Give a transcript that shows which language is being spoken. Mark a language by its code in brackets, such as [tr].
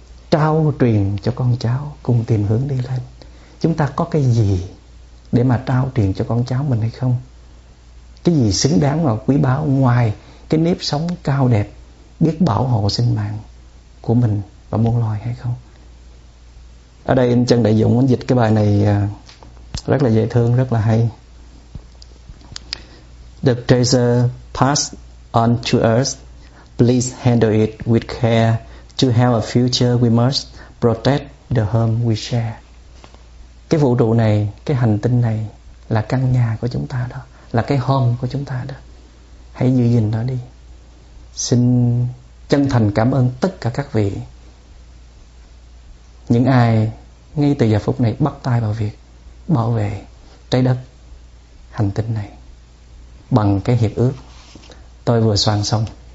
[vi] Trao truyền cho con cháu cùng tìm hướng đi lên. Chúng ta có cái gì để mà trao truyền cho con cháu mình hay không? Cái gì xứng đáng và quý báu ngoài cái nếp sống cao đẹp, biết bảo hộ sinh mạng của mình và muôn loài hay không? Ở đây anh Trân Đại Dũng anh dịch cái bài này rất là dễ thương, rất là hay. [en] The treasure passed on to us, please handle it with care. To have a future, we must protect the home we share. [vi] Cái vũ trụ này, cái hành tinh này là căn nhà của chúng ta đó, là cái home của chúng ta đó. Hãy giữ gìn nó đi. Xin chân thành cảm ơn tất cả các vị, những ai ngay từ giờ phút này bắt tay vào việc bảo vệ trái đất, hành tinh này bằng cái hiệp ước tôi vừa soạn xong.